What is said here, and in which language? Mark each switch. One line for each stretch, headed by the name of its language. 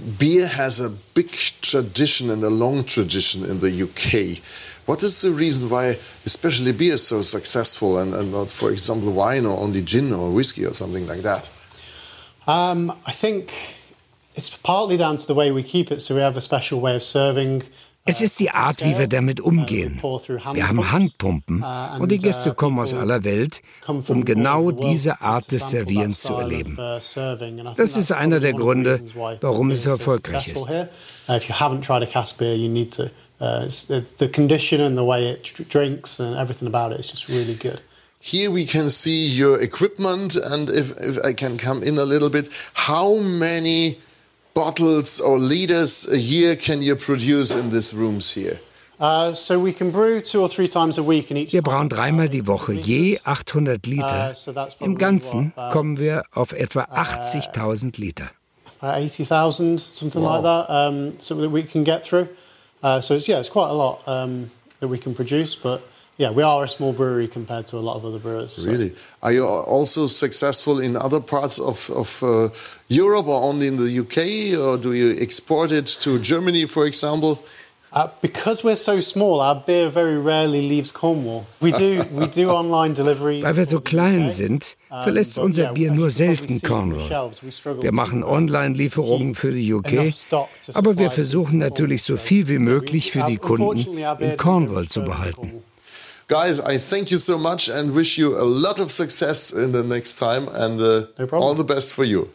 English: Beer has a big tradition and a long tradition in the UK. What is the reason why especially beer is so successful and not, for example, wine or only gin or whiskey or something like that? I think it's partly down to the way we keep it. So we have a special way of serving.
German: Es ist die Art, wie wir damit umgehen. Wir haben Handpumpen und die Gäste kommen aus aller Welt, um genau diese Art des Servierens zu erleben. Das ist einer der Gründe, warum es erfolgreich ist.
English: If you haven't tried a cask beer, you need to. The condition and the way it drinks and everything about it is just really good. Here we can see your equipment, and if I can come in a little bit, how many bottles or liters a year can you produce in these rooms here? So we can brew two or three times a week in each.
German: Wir brauen dreimal die Woche, je 800 Liter. Im Ganzen kommen wir auf etwa 80.000 Liter.
English: 80.000, something like that, so that we can get through. It's quite a lot that we can produce, but yeah, we are a small brewery compared to a lot of other brewers. So. Really? Are you also successful in other parts of Europe or only in the UK? Or do you export it to Germany, for example? Because we're so small, our beer very rarely leaves Cornwall. We do online delivery.
German: Weil wir so klein sind, verlässt unser Bier nur selten Cornwall. Wir machen Online-Lieferungen für die UK, aber wir versuchen natürlich so viel wie möglich für die Kunden in Cornwall zu behalten.
English: Guys, I thank you so much and wish you a lot of success in the next time and all the best for you.